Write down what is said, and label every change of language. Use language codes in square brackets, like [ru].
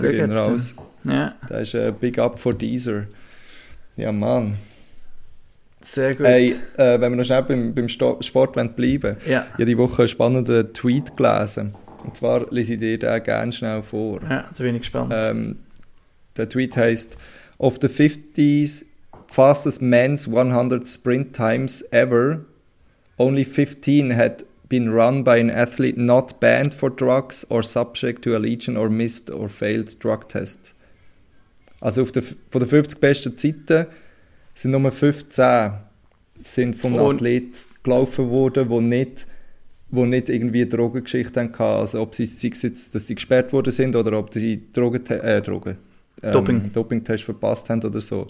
[de] Grüße gehen raus. Da ist [en] Big Up for Deezer. [de] Ja, Mann. Sehr gut. Hey, wenn wir noch schnell beim Sport bleiben wollen. Ja. Ich habe die Woche einen spannenden Tweet gelesen. Und zwar lese ich dir den gerne schnell vor. Ja, da bin ich gespannt. Der Tweet heisst: [en] Of the 50s fastest men's 100 sprint times ever, only 15 had been run by an athlete not banned for drugs or subject to a legion or missed or failed drug test. [de] Also von den 50 besten Zeiten sind nur 15 sind von einem Athlet gelaufen worden, wo nicht irgendwie Drogengeschichten hatten. Also ob sie jetzt, dass sie gesperrt worden sind oder ob sie Doping-Test verpasst haben oder so.